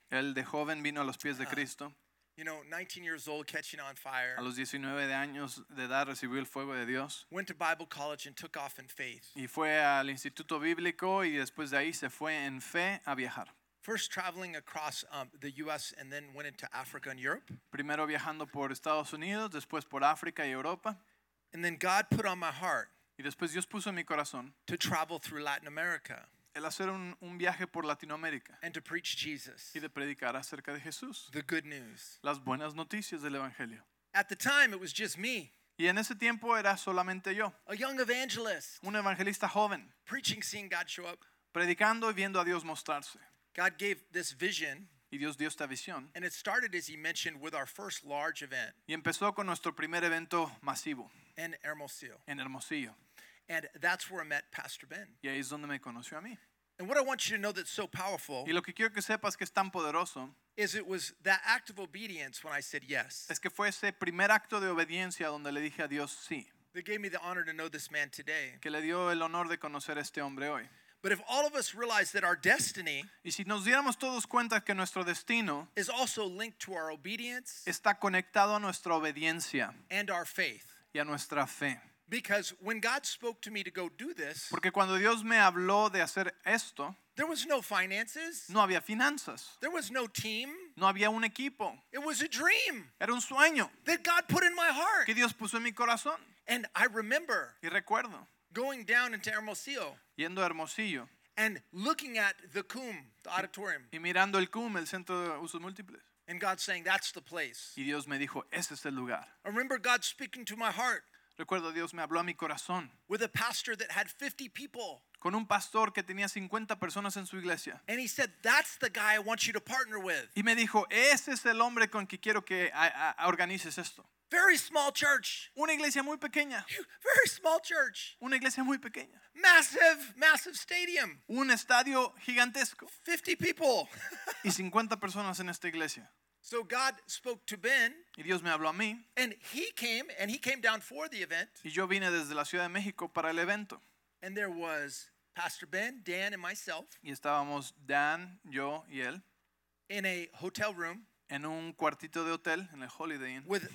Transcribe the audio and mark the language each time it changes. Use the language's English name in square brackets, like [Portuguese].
[Spanish] El de joven vino a los pies de Cristo. [English] You know, 19 years old, catching on fire. [Spanish] A los 19 de años de edad recibió el fuego de Dios. [English] Went to Bible college and took off in faith. [Spanish] Y fue al instituto bíblico y después de ahí se fue en fe a viajar. [English] First traveling across the U.S. and then went into Africa and Europe. [Spanish] Primero viajando por Estados Unidos, después por África y Europa. [English] And then God put on my heart. [Spanish] Y después Dios puso en mi corazón. [English] To travel through Latin America. [Spanish] El hacer un viaje por Latinoamérica. [English] And to preach Jesus. [Spanish] Y de predicar acerca de Jesús. [English] The good news. [Spanish] Las buenas noticias del Evangelio. [English] At the time, it was just me. [Spanish] Y en ese tiempo era solamente yo. [English] A young evangelist. [Spanish] Un evangelista joven. [English] Preaching, seeing God show up. [Spanish] Predicando y viendo a Dios mostrarse. [English] God gave this vision, [Spanish] y Dios dio esta visión. [English] And it started, as he mentioned, with our first large event. [Spanish] Y empezó con nuestro primer evento masivo. [English] In Hermosillo. [Spanish] En Hermosillo. [English] And that's where I met Pastor Ben. [Spanish] Y ahí es donde me conoció a mí. [English] And what I want you to know that's so powerful. [Spanish] Y lo que quiero que sepas que es tan poderoso. [English] Is it was that act of obedience when I said yes. [Spanish] Es que fue ese primer acto de obediencia donde le dije a Dios sí. [English] That gave me the honor to know this man today. [Spanish] Que le dio el honor de conocer a este hombre hoy. [English] But if all of us realize that our destiny, [Spanish] y si nos diéramos todos cuenta que nuestro destino, [English] is also linked to our obedience, [Spanish] está conectado a nuestra obediencia, [English] and our faith, [Spanish] y a nuestra fe. [English] Because when God spoke to me to go do this, [Spanish] porque cuando Dios me habló de hacer esto, [English] there was no finances, [Spanish] no había finanzas, [English] there was no team, [Spanish] no había un equipo, [English] it was a dream, [Spanish] era un sueño, [English] that God put in my heart, [Spanish] que Dios puso en mi corazón, [English] and I remember, [Spanish] y recuerdo, [English] going down into Hermosillo. [Spanish] Yendo a Hermosillo. [English] And looking at the CUM, the auditorium. [Spanish] Y mirando el CUM, el centro de usos múltiples. [English] And God saying, that's the place. [Spanish] Y Dios me dijo, ese es el lugar. [English] I remember God speaking to my heart. [Spanish] Recuerdo Dios me habló a mi corazón. [English] With a pastor that had 50 people. [Spanish] Con un pastor que tenía 50 personas en su iglesia. [English] And he said, that's the guy I want you to partner with. [Spanish] Y me dijo, ese es el hombre con que quiero que organices esto. [English] Very small church. [Spanish] Una iglesia muy pequeña. [English] Very small church. [Spanish] Una iglesia muy pequeña. [English] Massive, massive stadium. [Spanish] Un estadio gigantesco. [English] 50 people. [Spanish] Y 50 personas en esta iglesia. [English] So God spoke to Ben. [Spanish] Y Dios me habló a mí. [English] And he came down for the event. [Spanish] Y yo vine desde la Ciudad de México para el evento. [English] And there was Pastor Ben, Dan, and myself. [Spanish] Y estábamos Dan, yo y él. [English] In a hotel room. [Spanish] En un cuartito de hotel, en el Holiday Inn.